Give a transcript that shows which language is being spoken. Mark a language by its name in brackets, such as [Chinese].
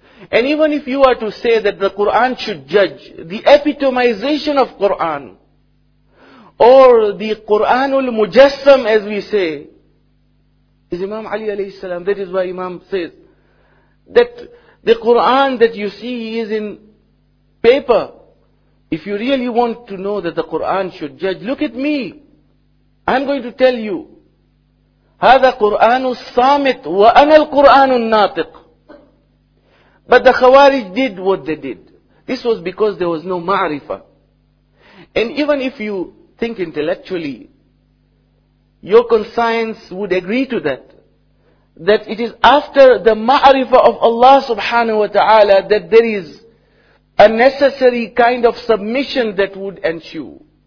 [English] And even if you are to say that the Quran should judge, the epitomization of Quran, or the Quranul Mujassam, as we say, is Imam Ali alayhi salam. That is why Imam says that the Quran that you see is in paper. If you really want to know that the Quran should judge, look at me. I'm going to tell you. [Arabic] هذا قرآن الصامت وأنا القرآن الناطق. [English] But the Khawarij did what they did. This was because there was no ma'rifah. And even if you think intellectually, your conscience would agree to that. That it is after the ma'rifah of Allah subhanahu wa ta'ala that there is a necessary kind of submission that would ensue.